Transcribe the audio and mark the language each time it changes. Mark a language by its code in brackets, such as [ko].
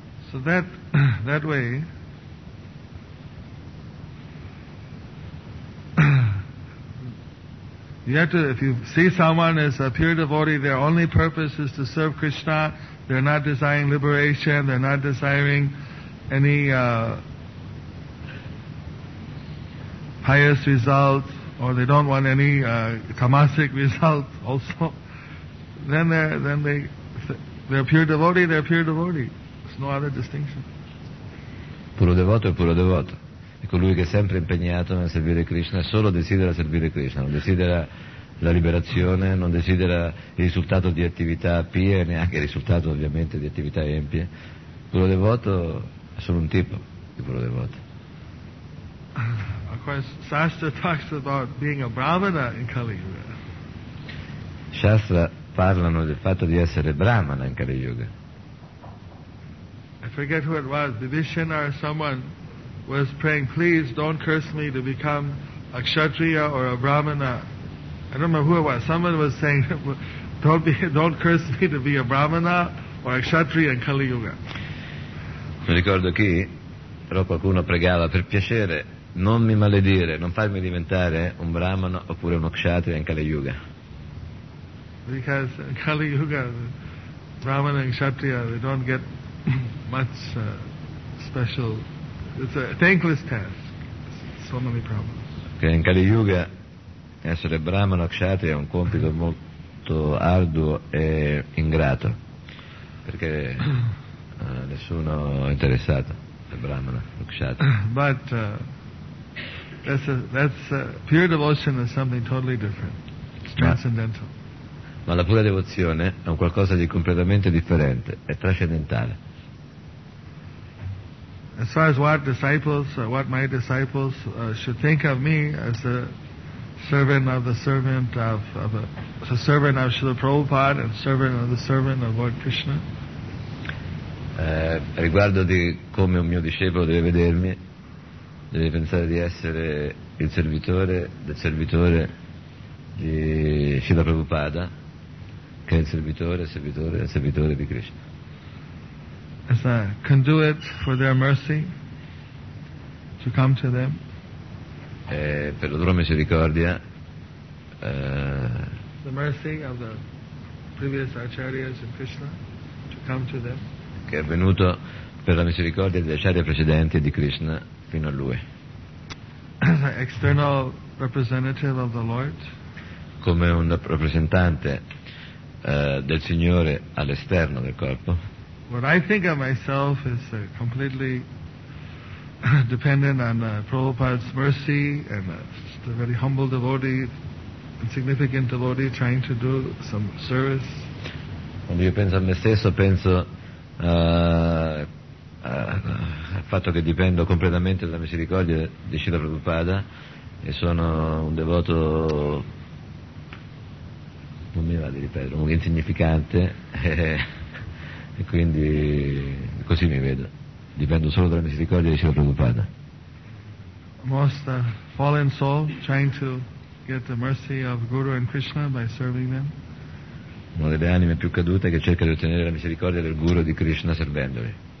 [en] So that way, you have to, if you see someone as a pure devotee, their only purpose is to serve Krishna, they're not desiring liberation, they're not desiring any pious result, or they don't want any tamasic result also, they're pure devotee, they're pure devotee. No other distinction. [it] Puro devoto è puro devoto. È colui che è sempre impegnato nel servire Krishna e solo desidera servire Krishna. Non desidera la liberazione, non desidera il risultato di attività pie, neanche il risultato ovviamente di attività empie. Puro devoto è solo un tipo di puro devoto. [en] Of course, Shastra talks about being a brahmana in Kali Yuga. [it] Shastra parlano del fatto di essere brahmana in Kali Yuga. [en] I forget who it was, Vibhishana or someone was praying, please don't curse me to become a kshatriya or a brahmana. I don't remember who it was. Someone was saying, don't curse me to be a brahmana or a kshatriya in Kali Yuga. [it] Non ricordo chi, però qualcuno pregava, per piacere, non mi maledire, non farmi diventare un brahmana oppure uno kshatriya in Kali Yuga. [en] Because in Kali Yuga, brahmana and kshatriya, they don't get much special. It's a thankless task. So many problems. [it] Okay, in Kali Yuga, essere brahmana o kshatriya è un compito molto arduo e ingrato, perché nessuno è interessato al brahmana o kshatriya. [en] But pure devotion is something totally different. It's transcendental. [it] Ma la pura devozione è un qualcosa di completamente differente, è trascendentale. [en] As far as what my disciples should think of me as a servant of the servant of the servant of Srila Prabhupada and servant of the servant of Lord Krishna. [it] Riguardo di come un mio discepolo deve vedermi, deve pensare di essere il servitore del servitore di Srila Prabhupada, che è il servitore, servitore, servitore di Krishna. [en] As a conduit for their mercy to come to them. [it] Per la loro misericordia. [en] The mercy of the previous acharyas in Krishna to come to them. [it] Che è venuto per la misericordia degli acharya precedenti di Krishna fino a lui. [en] As an external representative of the Lord. [it] Come un rappresentante del Signore all'esterno del corpo. [en] What I think of myself is completely dependent on Prabhupada's mercy and a very humble devotee, insignificant devotee trying to do some service. [it] Quando io penso a me stesso, penso al fatto che dipendo completamente dalla misericordia di Srila Prabhupada e sono un devoto, non mi va di ripetere, un insignificante. E quindi così mi vedo, dipendo solo dalla misericordia di Srila Prabhupada. [en] Most fallen soul trying to get the mercy of Guru and Krishna by serving them. [it] Una delle anime più cadute che cerca di ottenere la misericordia del Guru di Krishna servendoli.